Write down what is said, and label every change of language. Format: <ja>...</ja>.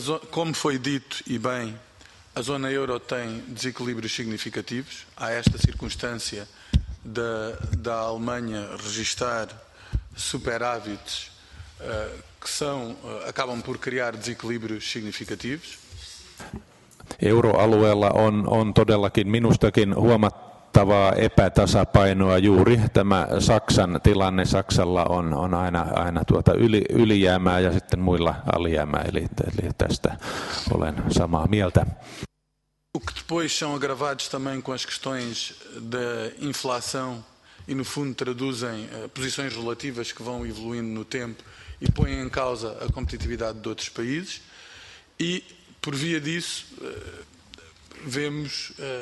<pt>Como foi dito, e bem, a zona euro tem desequilíbrios significativos. Há esta circunstância da Alemanha registar superávites que são, acabam por criar desequilíbrios significativos.</pt> <fi>Euroalueella on todellakin minustakin huomattu tavaa epätasapainoa juuri tämä Saksan tilanne. Saksalla on aina ylijäämää ja sitten muilla alijäämää, eli tästä olen samaa mieltä.</fi> <pt>O que depois são agravados também com as questões da inflação e no fundo traduzem posições relativas que vão evoluindo no tempo e põem em causa a competitividade de outros países e por via disso vemos</pt>